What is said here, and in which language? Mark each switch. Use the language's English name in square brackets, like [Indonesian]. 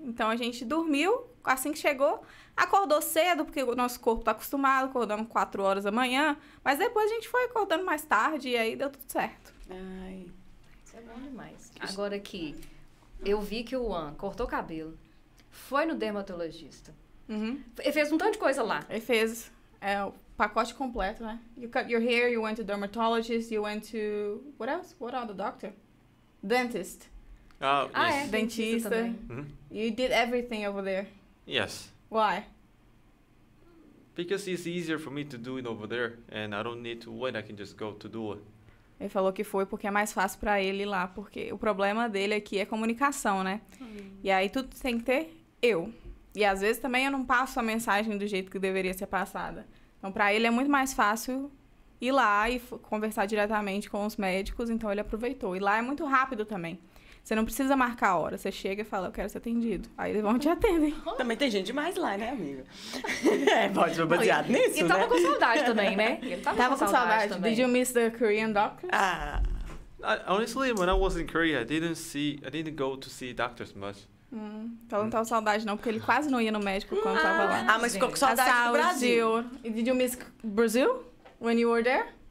[Portuguese] Então a gente dormiu, assim que chegou... Acordou cedo, porque o nosso corpo tá acostumado, acordamos 4 horas da manhã. Mas depois a gente foi acordando mais tarde e aí deu tudo certo. Ai, isso é bom demais. Agora que eu vi que o An cortou o cabelo, foi no dermatologista. Uhum. Ele fez um tanto de coisa lá. Ele fez o pacote completo, né? [English] You cut your hair, you went to dermatologist, you went to... What else? What other doctor? Dentist. Oh, yes. [Portuguese] Dentista. Mm-hmm. [English] You did everything over there. Yes. Why? Because it's easier for me to do it over there, and I don't need to wait, I can just go to do it. [Portuguese] Ele falou que foi porque é mais fácil pra ele ir lá, porque o problema dele aqui é comunicação, né? E aí tudo tem que ter eu. E às vezes também eu não passo a mensagem do jeito que deveria ser passada. Então pra ele é muito mais fácil ir lá e conversar diretamente com os médicos, então ele aproveitou. E lá é muito rápido também. Você não precisa marcar a hora. Você chega e fala, eu quero ser atendido. Aí eles vão te atender. Também tem gente demais lá, né, amiga? É, pode ser baseado nisso, ele né? Ele tava com saudade também, né? Ele tava com saudade também. [English] Did you miss the Korean doctors? Honestly, when I was in Korea, I didn't go to see doctors much. [Portuguese] Então não tava saudade não, porque ele quase não ia no médico quando tava lá. Ah, mas ficou com saudade do Brasil. [English] Did you miss Brazil when you were there?